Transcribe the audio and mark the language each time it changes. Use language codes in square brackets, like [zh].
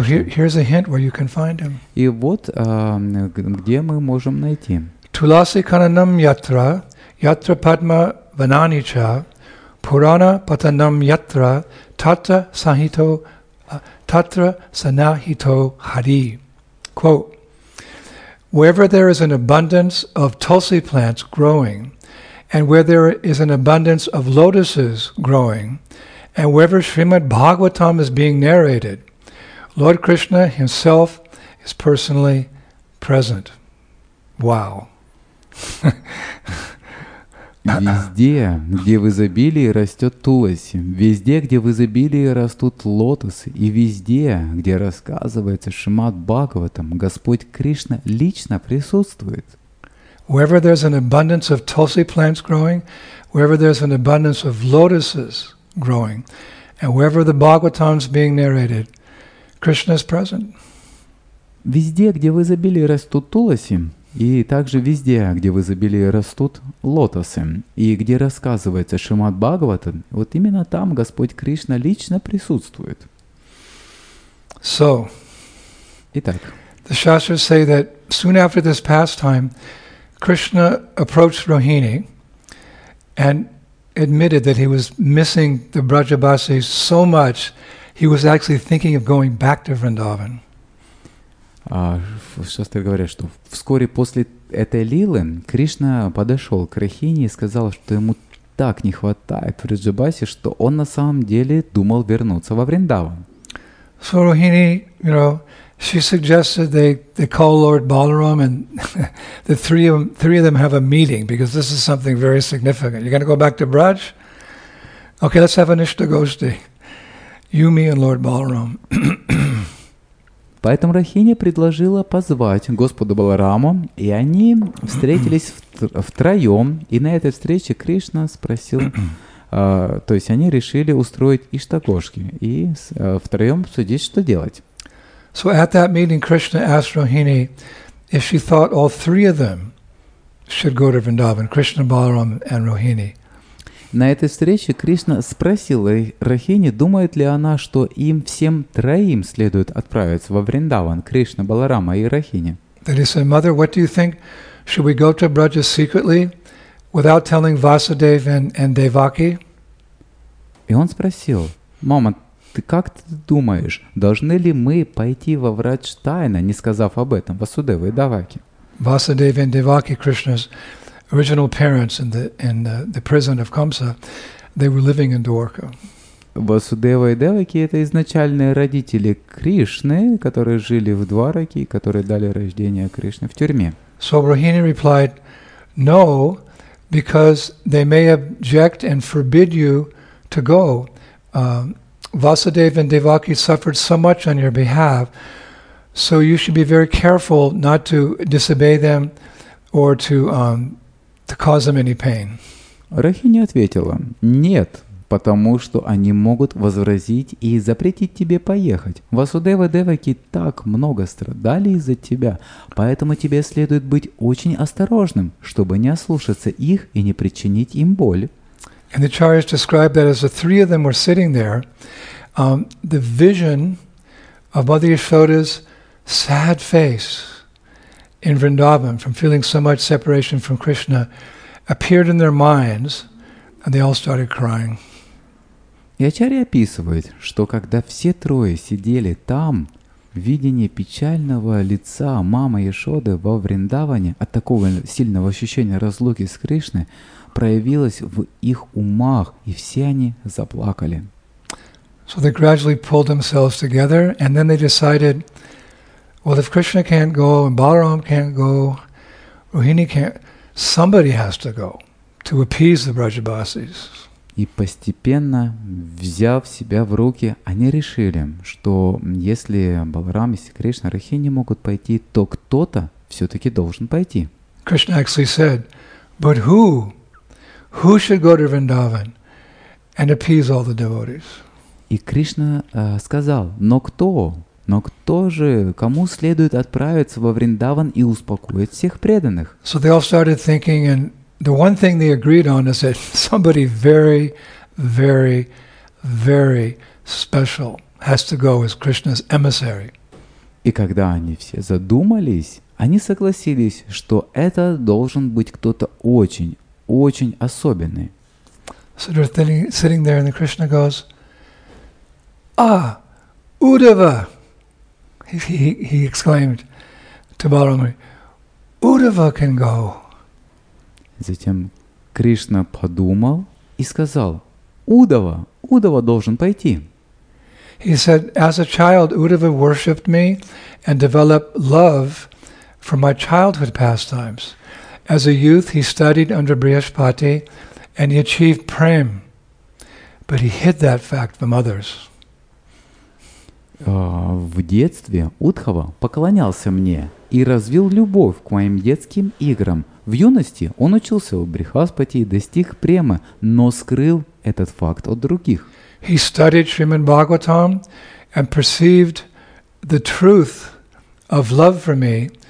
[en] So here's a hint where you can find him. [ru] И вот где мы можем найти. [sa] Туласи кананам ятра, ятра падма ванани ча, пурана патанам ятра, тата санхито, татра санахито хари. [en] Quote, wherever there is an abundance of tulsi plants growing, and where there is an abundance of lotuses growing, and wherever Srimad Bhagavatam is being narrated, Lord Krishna himself is personally present. Wow. [ru] Везде, где в изобилии растет туласи, везде, где в изобилии растут лотосы, и везде, где рассказывается Шримад Бхагаватам, Господь Кришна лично присутствует. [en] Wherever there's an abundance of tulsi plants growing, wherever there's an abundance of lotuses growing, and wherever the Bhagavatam's being narrated, Krishna's present. [ru] Везде, где в изобилии растут туласи, и также везде, где в изобилии растут лотосы, и где рассказывается Шримад Бхагаватам, вот именно там Господь Кришна лично присутствует. [en] So, [ru] итак, [en] the Shastras say that soon after this pastime, Krishna approached Rohini and admitted that he was missing the Brajabasi so much, he was actually thinking of going back to Vrindavan. [ru] Шастры говорят, что вскоре после этой лилы Кришна подошел к Рахини и сказал, что ему так не хватает в Раджабасе, что он на самом деле думал вернуться во Вриндаван. [en] So Rohini, you know, she suggested they call Lord Balaram and the three of them have a meeting because this is something very significant. You're going to go back to Braj? Okay, let's have an ishtagoshti. You, me and Lord Balaram. [ru] Поэтому Рахини предложила позвать Господа Баларама, и они встретились втроем. И на этой встрече Кришна спросил, то есть они решили устроить иштакошки и втроем обсудить, что делать. [en] So at that meeting Krishna asked Rohini if she thought all three of them should go to Vrindavan, Krishna, Balaram and Rohini. [ru] На этой встрече Кришна спросил Рахини, думает ли она, что им всем троим следует отправиться во Вриндаван, Кришна, Баларама и Рахини. [en] Then he said, Mother, what do you think? Should we go to Braja secretly, without telling Vasudev and Devaki? [ru] И он спросил, мама, ты как ты думаешь, должны ли мы пойти во Врач тайно, не сказав об этом, Васудеве и Деваки? [en] Vasudev and Devaki, Krishna's original parents in the prison of Kamsa, they were living in Dwarka. [ru] Васудева и Деваки — это изначальные родители Кришны, которые жили в Двараке, которые дали рождение Кришне в тюрьме. [en] So Rohini replied, no, because they may object and forbid you to go. Vasudeva and Devaki suffered so much on your behalf, so you should be very careful not to disobey them or to cause them any pain. [ru] Рахини ответила, нет, потому что они могут возразить и запретить тебе поехать. Васудева и Деваки так много страдали из-за тебя, поэтому тебе следует быть очень осторожным, чтобы не ослушаться их и не причинить им боль. [en] And the Acharyas described that as the three of them were sitting there, the vision of Mother Yashoda's sad face in Vrindavan, from feeling so much separation from Krishna, appeared in their minds, and they all started crying. [ru] И Ачарья описывает, что когда все трое сидели там, видение печального лица мамы Яшоды во Вриндаване от такого сильного ощущения разлуки с Кришной проявилось в их умах, и все они заплакали. [en] So they gradually pulled themselves together, and then they decided, well, if Krishna can't go, and Balaram can't go, Rohini can't, somebody has to go to appease the Brajabasis. [ru] И постепенно, взяв себя в руки, они решили, что если Баларам, если Кришна, Рахини могут пойти, то кто-то все-таки должен пойти. [en] Krishna actually said, but who? Who should go to Vrindavan and appease all the devotees? [ru] И Кришна сказал, но кто? Но кто же, кому следует отправиться во Вриндаван и успокоить всех преданных? [en] So they all started thinking, and the one thing they agreed on is that somebody very, very, very special has to go as Krishna's emissary. [ru] И когда они все задумались, они согласились, что это должен быть кто-то очень, очень особенный. [en] So they're sitting there, and Krishna goes, Ah, Uddhava! He exclaimed to Balarama, Uddhava can go. [ru] Затем Кришна подумал и сказал, Уддхава должен пойти. [en] He said, as a child, Uddhava worshipped me and developed love for my childhood pastimes. As a youth, he studied under Brihaspati and he achieved prem, but he hid that fact from others. [ru] В детстве Уддхава поклонялся мне и развил любовь к моим детским играм. В юности он учился у Брихаспати и достиг премы, но скрыл этот факт от других. [en] He studied Shrimad Bhagavatam and perceived the truth of love for me.